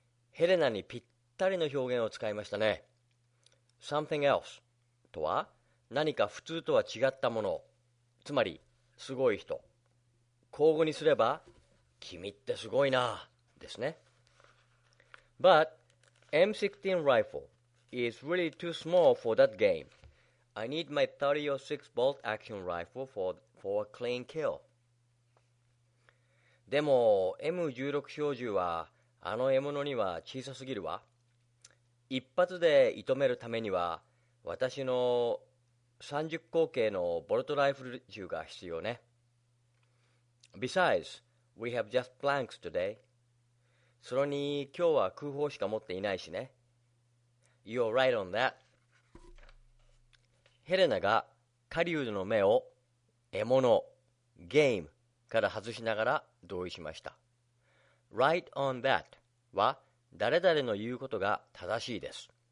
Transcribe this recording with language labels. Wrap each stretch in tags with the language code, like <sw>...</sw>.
<ja>ヘレナにぴったりの表現を使いましたね。</ja> <en>Something else</en> <ja>とは、何か普通とは違ったもの。つまり、すごい人。口語にすれば、君ってすごいな、ですね。</ja> <en>But,M16 rifle is really too small for that game. I need my 30-06 bolt action rifle for a clean kill.</en> <ja>でも M16 小銃はあの獲物には小さすぎるわ。一発で射止めるためには私の30口径のボルトライフル銃が必要ね。</ja> <en>Besides, we have just blanks today.</en> <ja>それに今日は空砲しか持っていないしね。</ja> <en>You're right on that.</en> <ja>ヘレナが狩人の目を獲物、ゲームから外しながら同意しました。</ja> <en>Right on that</en> <ja>は誰々の言うことが正しいです。</ja>